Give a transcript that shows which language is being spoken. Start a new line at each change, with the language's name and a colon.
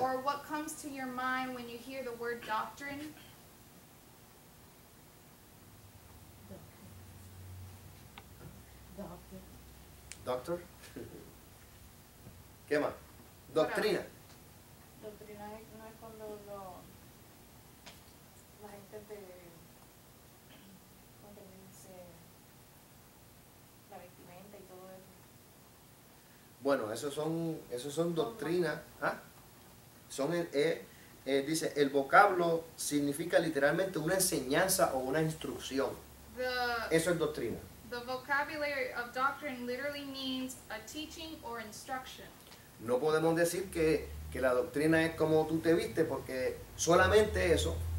English: Or what comes to your mind when you hear the word doctrine? Doctor.
Spanish: ¿Qué más? Doctrina. Doctrina no es cuando la gente te dice la vestimenta y todo eso. Bueno, esos son doctrinas. ¿Ah? Dice, el vocablo significa literalmente una enseñanza o una instrucción. Eso es doctrina.
English: The vocabulary of doctrine literally means a teaching or instruction.
Spanish: No podemos decir que la doctrina es como tú te viste, porque solamente eso.